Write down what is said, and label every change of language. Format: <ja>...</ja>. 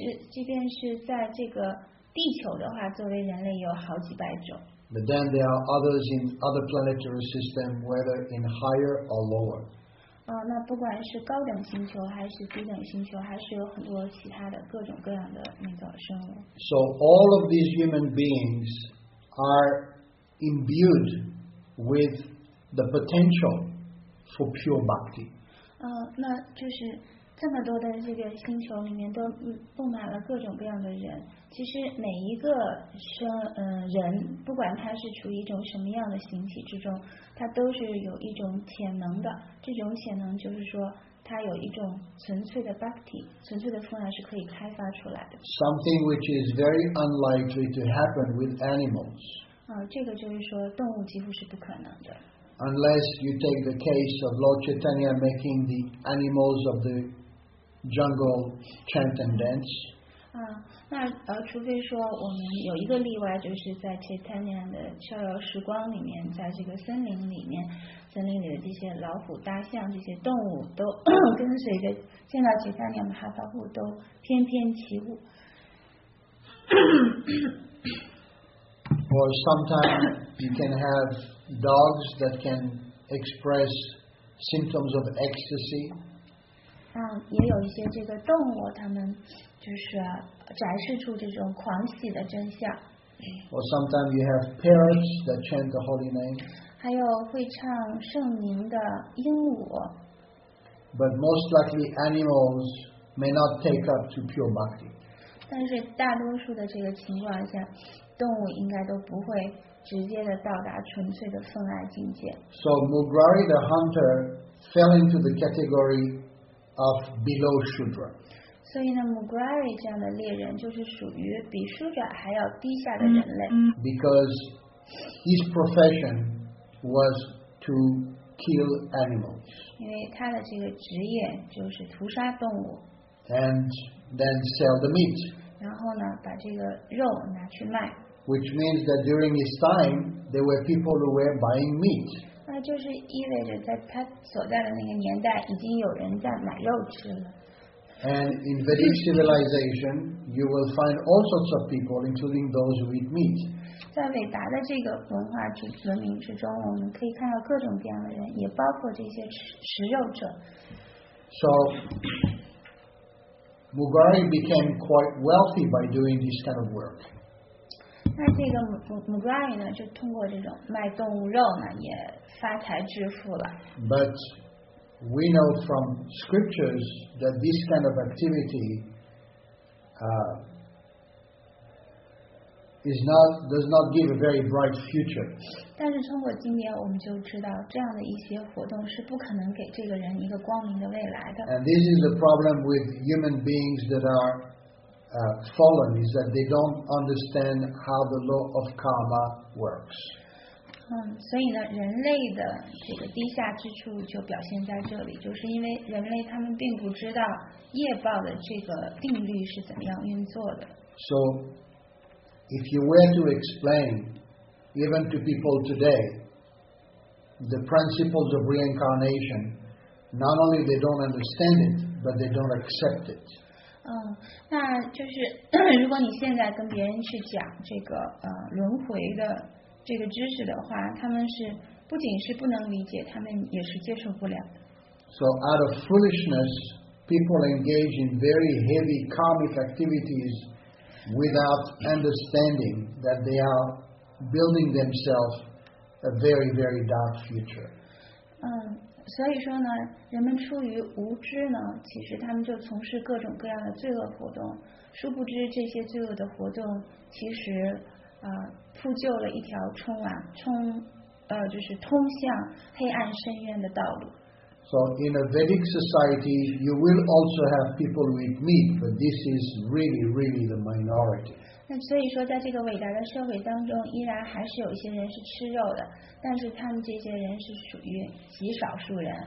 <zh>即便是在这个地球的话，作为人类有好几百种。</zh> <en>But then there are others in other planetary systems, whether in higher or lower.</en> <zh>那不管是高等星球还是低等星球，还是有很多其他的各种各样的那个生物。</zh> <en>So all of these human beings are imbued with the potential for pure bhakti.</en> <zh>那就是这么多的这个星球里面都布满了各种各样的人。其实每一个人，不管他是处于一种什么样的形体之中，他都是有一种潜能的。这种潜能就是说，他有一种纯粹的 bhakti， 纯粹的风还是可以开发出来的。</zh> <en>Something which is very unlikely to happen with animals.</en> <zh>这个就是说，动物几乎是不可能的。</zh> <en>Unless you take the case of Lord Chaitanya making the animals of the jungle chant and dance.</en> <zh>那除非说我们有一个例外，就是在切坦尼亚的逍遥时光里面，在这个森林里面，森林里的这些老虎、大象这些动物都跟随着见到切坦尼亚马哈巴布都翩翩起舞。</zh> <en>Or sometimes you can have dogs that can express symptoms of ecstasy.</en> <zh>也有一些这个动物，它们就是展示出这种狂喜的真相。</zh> <en>Or sometimes you have parrots that chant the holy name.</en> <zh>还有会唱圣名的鹦鹉。</zh> <en>But most likely animals may not take up to pure bhakti.</en> <zh>但是大多数的这个情况下，动物应该都不会直接的到达纯粹的奉爱境界。</zh> <en>So Mugrari the hunter fell into the category of below Shudra.</en> <zh>所以呢 ，Mugrari 这样的猎人就是属于比 Shudra 还要低下的人类。</zh> <en>Because his profession was to kill animals.</en> <zh>因为他的这个职业就是屠杀动物。</zh> <en>And then sell the meat.</en> <zh>然后呢，把这个肉拿去卖。</zh> <en>Which means that during his time, there were people who were buying meat.</en> <zh>那就是意味着在他所在的那个年代，已经有人在买肉吃了。</zh> <en>And in Vedic civilization, you will find all sorts of people, including those who eat meat.</en> <zh>在韦达的这个文化文明之中，我们可以看到各种各样的人，也包括这些食肉者。</zh> <en>So. Mugrari became quite wealthy by doing this kind of work.</en> <zh>那这个 Mugrari 呢，就通过这种卖动物肉呢，也发财致富了。</zh> <en>But we know from scriptures that this kind of activity does not give a very bright future.</en> <zh>但是通过今年我们就知道，这样的一些活动是不可能给这个人一个光明的未来的。</zh> <en>And this is the problem with human beings that are fallen, is that they don't understand how the law of karma works.</en> <zh>所以呢，人类的这个低下之处就表现在这里，就是因为人类他们并不知道业报的这个定律是怎么样运作的。</zh> <en>So. If you were to explain, even to people today, the principles of reincarnation, not only they don't understand it, but they don't accept it.</en> <zh>那就是如果你现在跟别人去讲这个轮回的这个知识的话，他们是不仅是不能理解，他们也是接受不了。</zh> <en>So out of foolishness, people engage in very heavy karmic activities. Without understanding that they are building themselves a very, very dark future.</en> <zh>所以说呢，人们出于无知呢，其实他们就从事各种各样的罪恶活动。殊不知，这些罪恶的活动其实铺就了一条通向黑暗深渊的道路。</zh> <en>So in a Vedic society, you will also have people who eat meat, but this is really, really the minority.</en> <zh>那所以说，在这个伟大的社会当中，依然还是有一些人是吃肉的，但是他们这些人是属于极少数人。</zh>